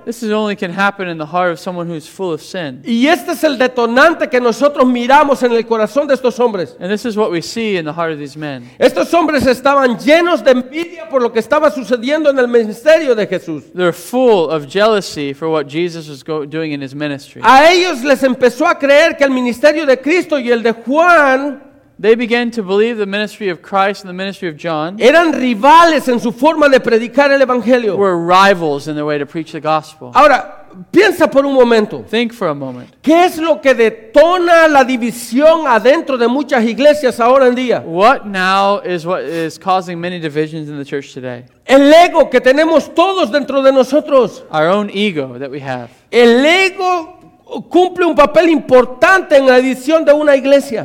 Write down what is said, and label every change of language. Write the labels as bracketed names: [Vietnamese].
[English] This is only can happen in the heart of someone who is full of sin. [Spanish] Y este es el detonante que nosotros miramos en el corazón de estos hombres. [English] And this is what we see in the heart of these men. [Spanish] Estos hombres estaban llenos de envidia por lo que estaba sucediendo en el ministerio de Jesús. [English] They're full of jealousy for what Jesus was doing in his ministry. [Spanish] A ellos les empezó a creer que el ministerio de Cristo y el de Juan, [English] they began to believe the ministry of Christ and the ministry of John, [Spanish] eran rivales en su forma de predicar el evangelio, [English] were rivals in their way to preach the gospel. [Spanish] Ahora, piensa por un momento. [English] Think for a moment. [Spanish] ¿Qué es lo que detona la división adentro de muchas iglesias ahora en día? [English] What now is what is causing many divisions in the church today? [Spanish] El ego que tenemos todos dentro de nosotros. [English] Our own ego that we have. [Spanish] El ego cumple un papel importante en la división de una iglesia.